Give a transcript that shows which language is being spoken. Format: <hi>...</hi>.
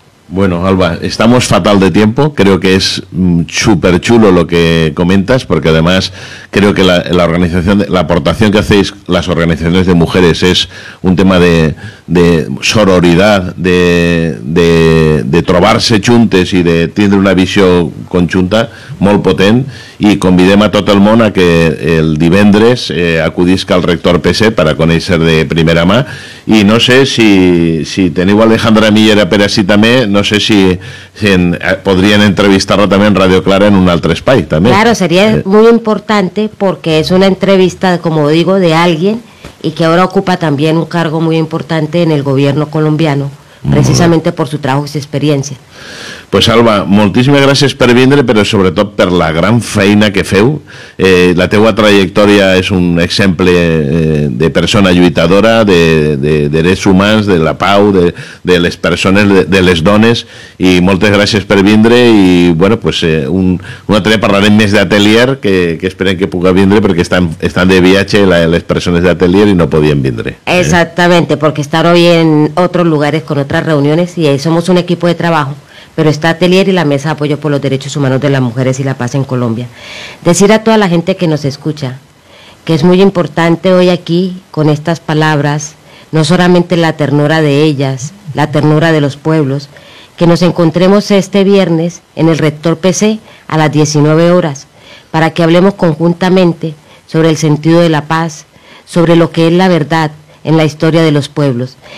<es>Bueno, Alba, estamos fatal de tiempo. Creo que es súper chulo lo que comentas, porque además creo que la organización, la aportación que hacéis las organizaciones de mujeres es un tema de sororidad, de trobarse chuntes y de tener una visión conjunta</es> <ca>molt potent. Y convidem a tot el món a que el divendres acudisca al rector PSE para conèixer de primera mà. Y no sé si teniu Alejandra Millera per així també, no sé si podrien entrevistarla també en Radio Clara en un altre espai també.</ca> <es>Claro, seria muy importante, porque es una entrevista, como digo, de alguien y que ahora ocupa también un cargo muy importante en el gobierno colombiano, precisamente por su trabajo y su experiencia.</es> <ca>Pues Alba, moltíssimes gràcies per vindre, però sobretot per la gran feina que feu. La teua trajectòria és un exemple de persona lluitadora, de drets humans, de la pau, de les persones, de les dones, i moltes gràcies per vindre. I bueno, pues un altre dia parlarem més d'Atelier, que esperem que puga vindre, perquè estan de viatge les persones d'Atelier i no podien vindre.</ca> <es>Exactamente, porque están hoy en otros lugares con otras reuniones y somos un equipo de trabajo. Pero está Atelier y la Mesa de Apoyo por los Derechos Humanos de las Mujeres y la Paz en Colombia. Decir a toda la gente que nos escucha que es muy importante hoy aquí, con estas palabras, no solamente la ternura de ellas, la ternura de los pueblos, que nos encontremos este viernes en el rector PSE a las 19 horas, para que hablemos conjuntamente sobre el sentido de la paz, sobre lo que es la verdad en la historia de los pueblos.</es>